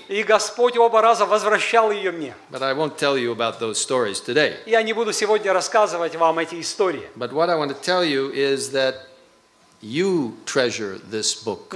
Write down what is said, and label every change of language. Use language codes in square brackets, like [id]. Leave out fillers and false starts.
[ru] И Господь оба раза возвращал ее мне. [en] But I won't tell you about those stories today. [ru] Я не буду сегодня рассказывать вам эти истории. [en] But what I want to tell you is that you treasure this book too.